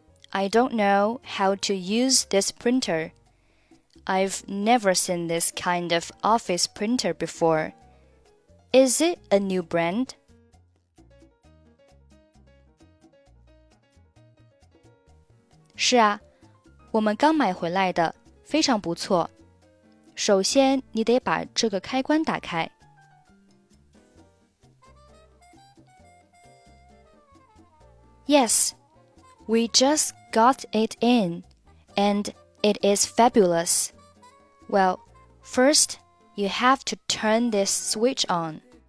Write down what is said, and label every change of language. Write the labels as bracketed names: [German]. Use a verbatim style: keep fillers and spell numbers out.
[English] I don't know how to use this printer. I've never seen this kind of office printer before. Is it a new brand? [Chinese] "是啊，我们刚买回来的，非常不错。首先，你得把这个开关打开。" [English] Yes, we just got it in, and it is fabulous. Well, first, you have to turn this switch on.